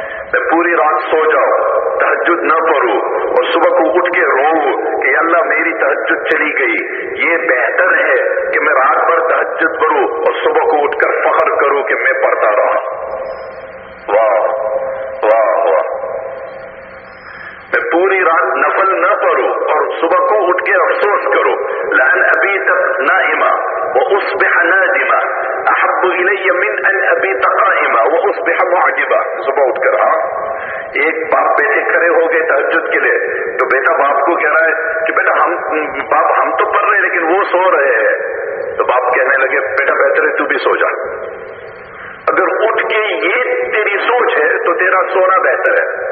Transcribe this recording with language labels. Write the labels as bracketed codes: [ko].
[ur] میں پوری رات سو جاؤں, تہجد نہ پڑھوں, اور صبح کو اٹھ کے رو کہ اللہ میری تہجد چلی گئی, یہ بہتر ہے کہ میں رات بھر تہجد پڑھوں اور صبح کو اٹھ کر فخر کروں کہ میں پڑھتا رہا. واہ واہ واہ, میں پوری رات نفل نہ پڑھوں اور صبح کو اٹھ کے افسوس کرو. [ar] لأن أبيت نائما وأصبح نادما أحب إلي من أن أبيت قائما وأصبح معجبا. [ur] صبح اٹھ کر, ہاں ایک باپ بیٹے کھڑے ہو گئے تہجد کے لیے, تو بیٹا باپ کو کہہ رہا ہے کہ بیٹا ہم باپ ہم تو پڑھ رہے ہیں لیکن وہ سو رہے ہیں. تو باپ کہنے لگے بیٹا بہتر ہے تو بھی سو جا, اگر اٹھ کے یہ تیری سوچ ہے تو تیرا سونا بہتر ہے.